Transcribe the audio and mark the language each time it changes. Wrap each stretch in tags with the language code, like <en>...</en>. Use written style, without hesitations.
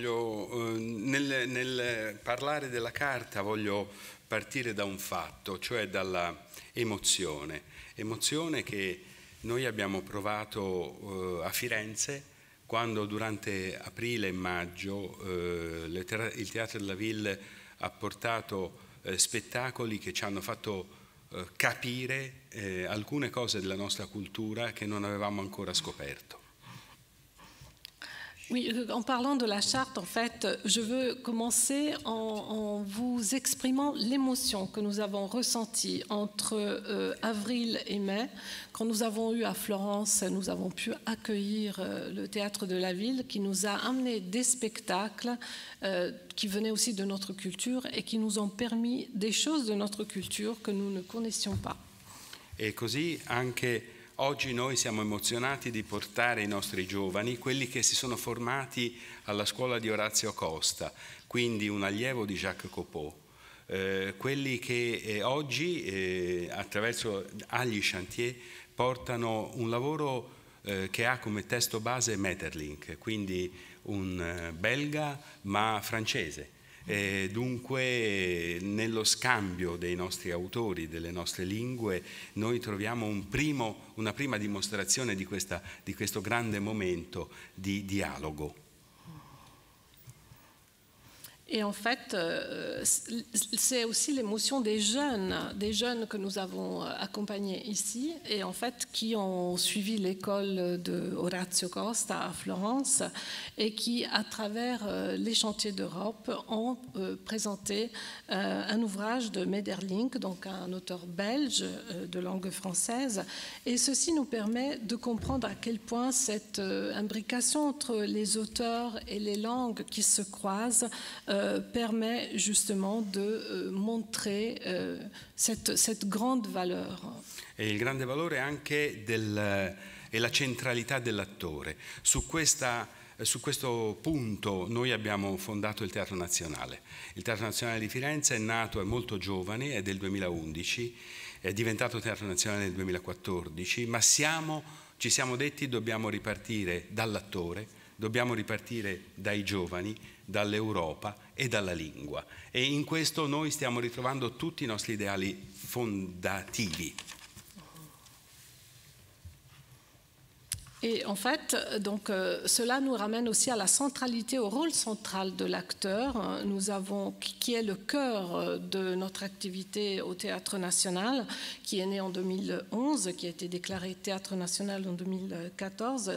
<it>Nel parlare della carta voglio partire da un fatto, cioè dalla emozione che noi abbiamo provato a Firenze quando durante aprile e maggio il Teatro della Ville ha portato spettacoli che ci hanno fatto capire alcune cose della nostra cultura che non avevamo ancora scoperto.</it> <fr>Oui, en parlant de la charte, en fait, je veux commencer en vous exprimant l'émotion que nous avons ressentie entre avril et mai, quand nous avons eu à Florence, nous avons pu accueillir le Théâtre de la Ville, qui nous a amené des spectacles qui venaient aussi de notre culture et qui nous ont permis des choses de notre culture que nous ne connaissions pas.</fr> <it>Et così anche oggi noi siamo emozionati di portare i nostri giovani, quelli che si sono formati alla scuola di Orazio Costa, quindi un allievo di Jacques Copeau, quelli che oggi attraverso Agli Chantier portano un lavoro che ha come testo base Maeterlinck, quindi un belga ma francese. Dunque, nello scambio dei nostri autori, delle nostre lingue, noi troviamo una prima dimostrazione di questo grande momento di dialogo.</it> <fr>Et en fait, c'est aussi l'émotion des jeunes que nous avons accompagnés ici, et en fait, qui ont suivi l'école de Orazio Costa à Florence, et qui, à travers les chantiers d'Europe, ont présenté un ouvrage de Maeterlinck, donc un auteur belge de langue française. Et ceci nous permet de comprendre à quel point cette imbrication entre les auteurs et les langues qui se croisent permet justement de montrer cette grande valeur.</fr> <it>E il grande valore anche è la centralità dell'attore. Su questo punto noi abbiamo fondato il Teatro Nazionale. Il Teatro Nazionale di Firenze è nato, è molto giovane, è del 2011, è diventato Teatro Nazionale nel 2014, ma ci siamo detti dobbiamo ripartire dall'attore, dobbiamo ripartire dai giovani, dall'Europa e dalla lingua. E in questo noi stiamo ritrovando tutti i nostri ideali fondativi.</it> <fr>Et en fait, donc, cela nous ramène aussi à la centralité, au rôle central de l'acteur, nous avons, qui est le cœur de notre activité au Théâtre National, qui est né en 2011, qui a été déclaré Théâtre National en 2014.</fr>